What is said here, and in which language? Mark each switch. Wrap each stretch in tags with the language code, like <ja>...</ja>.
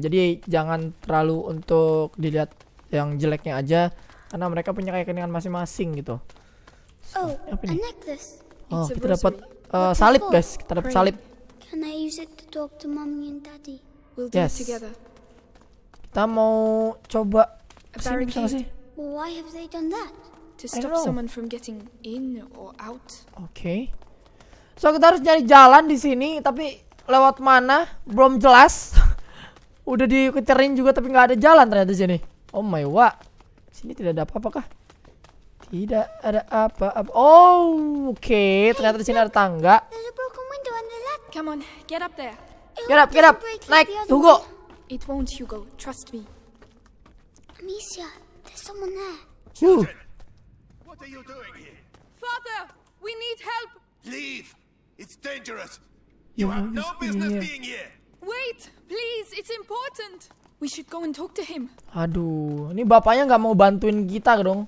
<id>Jadi jangan terlalu untuk dilihat yang jeleknya aja karena mereka punya keyakinan masing-masing gitu.</id> <en>So, oh,</en> <id>apa ini?</id> <en>A necklace.</en> <id>Oh, kita dapat salib guys. Kita dapat salib.</id> <en>Can I use it to talk to mommy and daddy? We'll do yes. It together.</en> <id>Kita mau coba kesini, bisa gak sih?</id> <en>Well, why have they done that? To stop someone from getting in or out.</en> <id>Okay. So kita harus nyari jalan di sini, tapi lewat mana belum jelas. Udah dikiterin juga, tapi nggak ada jalan ternyata sini.</id> <en>Oh my god.</en> <id>Sini tidak ada apa-apa kah? Tidak ada apa-apa. Oh, okay. Ternyata di sini ada tangga.</id> <en>There's a broken window on the left. Come on, get up there. Get up.</en> <id>Naik,</id> <en>Hugo. It won't, Hugo. Trust me. Amicia, there's someone there. You. What are you doing here? Father, we need help. Leave. It's dangerous. You have no business being here. Wait, please. It's important. We should go and talk to him.</en> <id>Aduh, ini bapaknya nggak mau bantuin kita dong.</id>